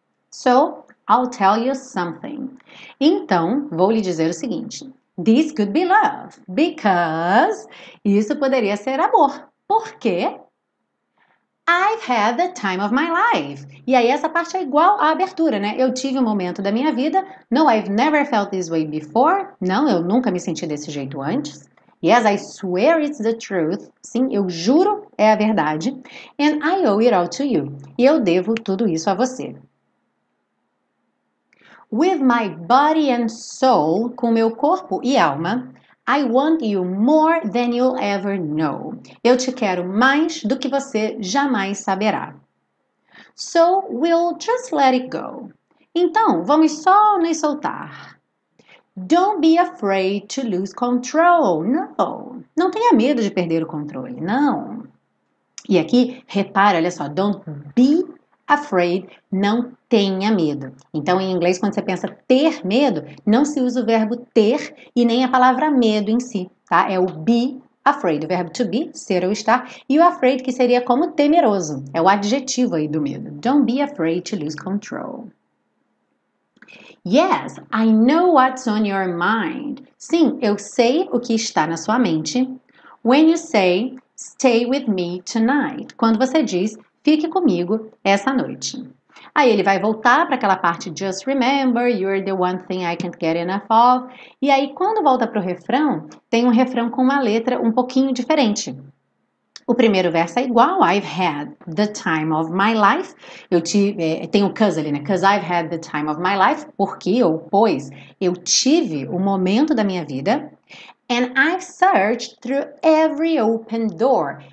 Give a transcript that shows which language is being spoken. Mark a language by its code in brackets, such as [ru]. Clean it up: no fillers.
[en] So, I'll tell you something. [pt] Então, vou lhe dizer o seguinte. [en] This could be love, because [pt] isso poderia ser amor. Por quê? [en] I've had the time of my life. [pt] E aí, essa parte é igual à abertura, né? Eu tive um momento da minha vida. [en] No, I've never felt this way before. [pt] Não, eu nunca me senti desse jeito antes. [en] Yes, I swear it's the truth. [pt] Sim, eu juro, é a verdade. [en] And I owe it all to you. [pt] E eu devo tudo isso a você. [en] With my body and soul, [pt] com meu corpo e alma, [en] I want you more than you'll ever know. [pt] Eu te quero mais do que você jamais saberá. [en] So we'll just let it go. [pt] Então, vamos só nos soltar. [en] Don't be afraid to lose control, no. [pt] Não tenha medo de perder o controle, não. E aqui, repara, olha só, [en] don't be afraid, [pt] não tenha medo. Então, em inglês, quando você pensa ter medo, não se usa o verbo ter e nem a palavra medo em si, tá? É o be afraid, o verbo to be, ser ou estar, e o afraid, que seria como temeroso, é o adjetivo aí do medo. [en] Don't be afraid to lose control. Yes, I know what's on your mind. [pt] Sim, eu sei o que está na sua mente. [en] When you say, stay with me tonight. [pt] Quando você diz, fique comigo essa noite. Aí ele vai voltar para aquela parte, [en] just remember, you're the one thing I can't get enough of. [pt] E aí quando volta para o refrão, tem um refrão com uma letra um pouquinho diferente. O primeiro verso é igual, [en] I've had the time of my life. [pt] Eu tive, tem o cause ali, né? [en] Because I've had the time of my life. [pt] Porque ou pois eu tive o momento da minha vida. [en] And I've searched through every open door.